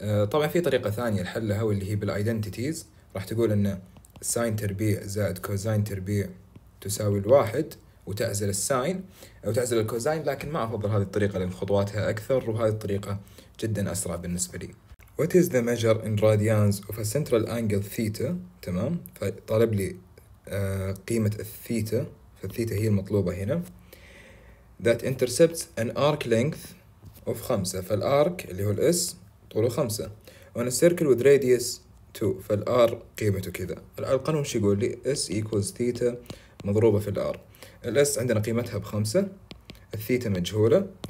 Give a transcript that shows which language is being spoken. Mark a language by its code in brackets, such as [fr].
[ar] طبعا في طريقة ثانية لحلها واللي هي بالايدنتيتيز، راح تقول ان ساين تربيع زائد كوزاين تربيع تساوي الواحد وتعزل الساين او تعزل الكوزاين، لكن ما افضل هذه الطريقة لان خطواتها اكثر وهذه الطريقة جدا اسرع بالنسبة لي. [en] What is the measure in radians of a central angle theta؟ تمام. [ar] فطالب لي قيمة الثيتا، فالثيتا هي المطلوبة هنا. [en] That intercepts an arc length of 5. [ar] فالارك اللي هو الاس طوله 5، وان السيركل وذ راديوس 2، فالار قيمته كذا. القانون شو يقول لي؟ اس ايكوالز ثيتا مضروبه في الار. الاس عندنا قيمتها بخمسة، الثيتا مجهوله،